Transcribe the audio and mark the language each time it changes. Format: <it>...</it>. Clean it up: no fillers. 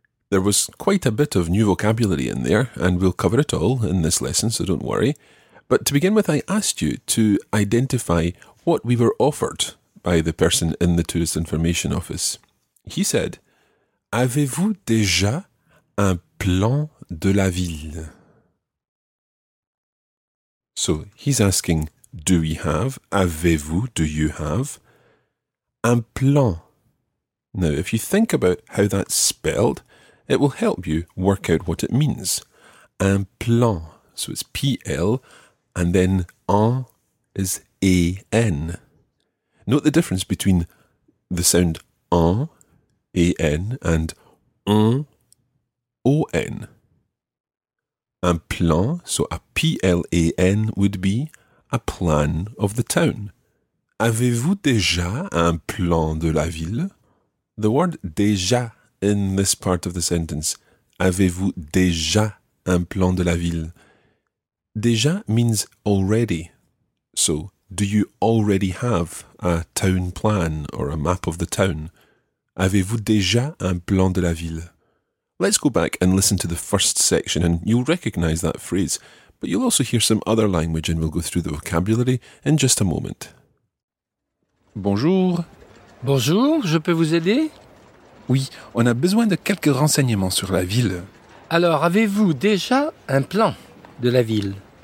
<en>There was quite a bit of new vocabulary in there, and we'll cover it all in this lesson, so don't worry. But to begin with, I asked you to identify what we were offered by the person in the tourist information office. He said,</en> <fr>avez-vous déjà un plan de la ville?</fr> <en>So, he's asking, do you have un plan? Now, if you think about how that's spelled, it will help you work out what it means. Un plan. So it's P-L, and then en is A-N. Note the difference between the sound en, A-N, and en, O-N. Un plan, so a P-L-A-N, would be a plan of the town.</en> <fr>Avez-vous déjà un plan de la ville?</fr> <en>The word déjà in this part of the sentence.</en> <fr>Avez-vous déjà un plan de la ville?</fr> <en>Déjà means already. So, do you already have a town plan or a map of the town?</en> <fr>Avez-vous déjà un plan de la ville?</fr> <en>Let's go back and listen to the first section and you'll recognize that phrase, but you'll also hear some other language and we'll go through the vocabulary in just a moment.</en> <fr>Bonjour. Bonjour, je peux vous aider? Oui, on a besoin de quelques renseignements sur la ville. Alors, avez-vous déjà un plan de la ville?</fr>